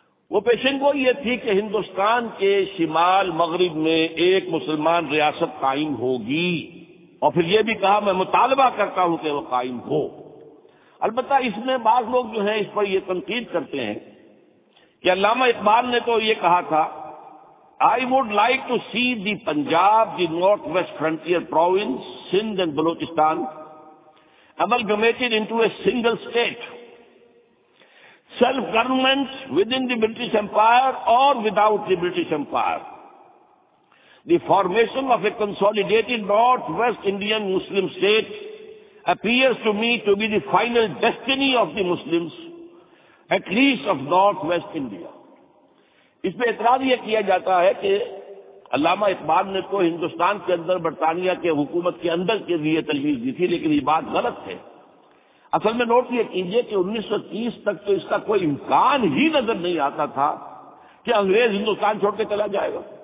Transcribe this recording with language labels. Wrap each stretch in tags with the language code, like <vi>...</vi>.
<ur>وہ پیشن گوئی یہ تھی کہ ہندوستان کے شمال مغرب میں ایک مسلمان ریاست قائم ہوگی، اور پھر یہ بھی کہا میں مطالبہ کرتا ہوں کہ وہ قائم ہو. البتہ اس میں بعض لوگ جو ہیں اس پر یہ تنقید کرتے ہیں کہ علامہ اقبال نے تو یہ کہا تھا</ur> <en>I would like to see the Punjab, the Northwest Frontier Province, Sindh and Balochistan amalgamated into a single state. Self-government within the British Empire or without the British Empire. The formation of a consolidated Northwest Indian Muslim state appears to me to be the final destiny of the Muslims, at least of Northwest India.</en> <ur>اس پہ اعتراض یہ کیا جاتا ہے کہ علامہ اقبال نے تو ہندوستان کے اندر برطانیہ کے حکومت کے اندر کے لیے تجویز دی تھی, لیکن یہ بات غلط ہے. اصل میں نوٹ یہ کیجیے کہ 1930 تک تو اس کا کوئی امکان ہی نظر نہیں آتا تھا کہ انگریز ہندوستان چھوڑ کے چلا جائے گا.</ur>